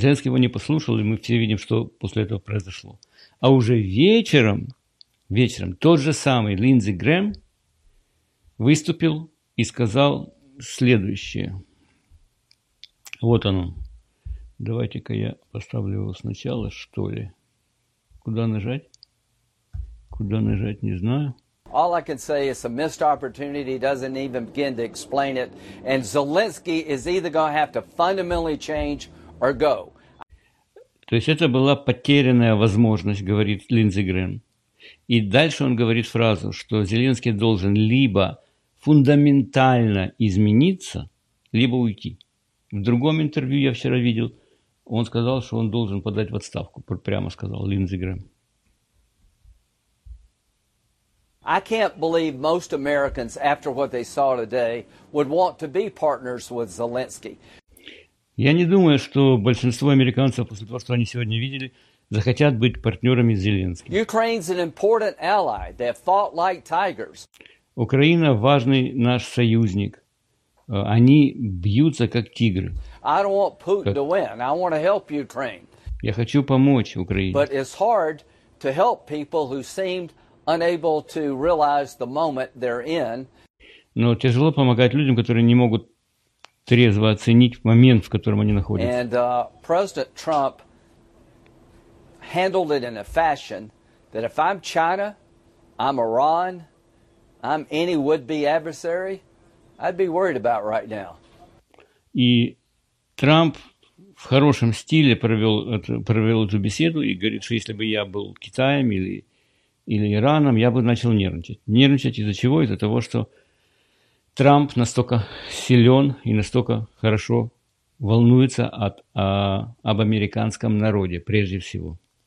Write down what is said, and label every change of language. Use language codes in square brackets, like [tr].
[ru] Зеленский его не послушал, и мы все видим, что после этого произошло. А уже вечером тот же самый Линдзи Грэм выступил и сказал следующее. Вот оно. Давайте-ка я поставлю его сначала, что ли. Куда нажать, не знаю. [en] All I can say is a missed opportunity doesn't even begin to explain it. And Zelensky is either going to have to fundamentally change or go. [ru] То есть это была потерянная возможность, говорит Линдзи Грэм. И дальше он говорит фразу, что Зеленский должен либо фундаментально измениться, либо уйти. В другом интервью я вчера видел, он сказал, что он должен подать в отставку. Прямо сказал Линдзи Грэм. [en] I can't believe most Americans, after what they saw today, would want to be partners with Zelensky. [ru] Я не думаю, что большинство американцев после того, что они сегодня видели, захотят быть партнерами Зеленского. [en] Ukraine's an important ally. They have fought like tigers. [ru] Украина важный наш союзник. Они бьются как тигры. [en] I don't want Putin to win. I want to help Ukraine. [ru] Я хочу помочь Украине. [en] But it's hard to help people who seemed unable to realize the moment they're in. [ru] Но тяжело помогать людям, которые не могут трезво оценить момент, в котором они находятся. [en] And President Trump handled it in a fashion that if I'm China, I'm Iran, I'm any would-be adversary, I'd be worried about right now. [ru] И Трамп в хорошем стиле провел эту беседу и говорит, что если бы я был Китаем или Ираном, я бы начал нервничать. Нервничать из-за чего? Из-за того, что Трамп настолько силен и настолько хорошо волнуется об американском народе прежде всего.